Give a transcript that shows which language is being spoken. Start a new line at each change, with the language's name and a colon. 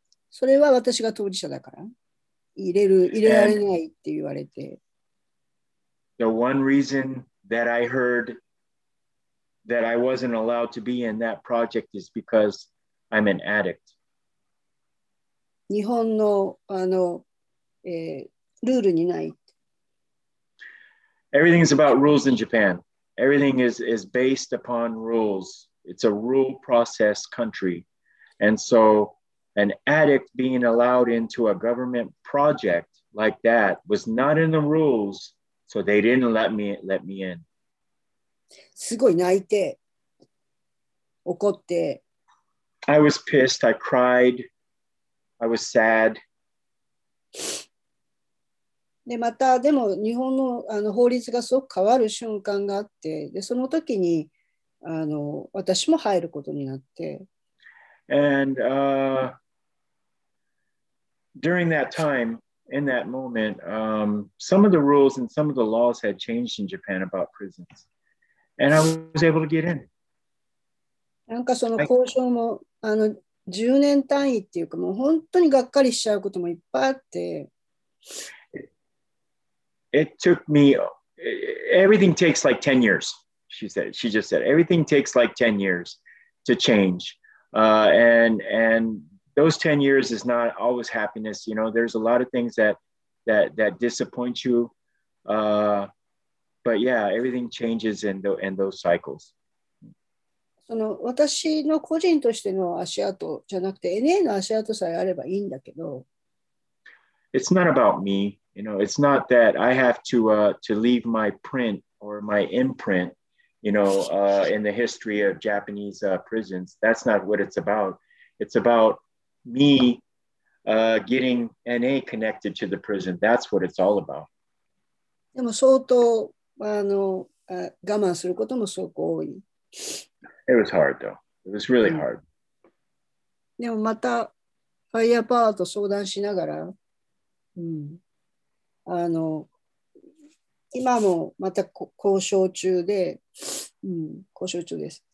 Japanese: それは私が当事者だから。入れられないって言われて。
English: The one reason that I heard... that I wasn't allowed to be in that project is because I'm an addict.
Japanese: 日本の、ルールにない。
English: Everything is about rules in Japan. Everything is based upon rules. It's a rule process country. And so an addict being allowed into a government project like that was not in the rules So they didn't let me in.
Japanese: すごい泣いて、怒って。
English: I was pissed. I cried. I was sad.
Japanese: で、また、でも日本の、あの法律がすごく変わる瞬間があって、で、その時に、あの、私も入ることになって。
English: And, during that time, in that moment, some of the rules and some of the laws had changed in Japan about prisons. And I was able to get in.
Japanese: なんかその交渉も、あの、10年単位っていうか、もう本当にがっかりしちゃうこともいっぱいあって。
English: It took me, everything takes like 10 years, she said. She just said, everything takes like 10 years to change. And those 10 years is not always happiness. You know, there's a lot of things that disappoint you. But yeah, everything changes in those cycles.
Japanese: その私の個人としての足跡じゃなくて NA の足跡さえあればいいんだけど。
English: It's not about me. You know, it's not that I have to leave my print or my imprint, you know, in the history of Japanese prisons. That's not what it's about. It's about me getting NA connected to the prison. That's what it's all about.
Japanese: でも相当あの我慢することもすごく多い。
English: It was hard though. It was really hard.
Japanese: でもまたファイヤーパワーと相談しながら、あの今もまた交渉中で、交渉中です。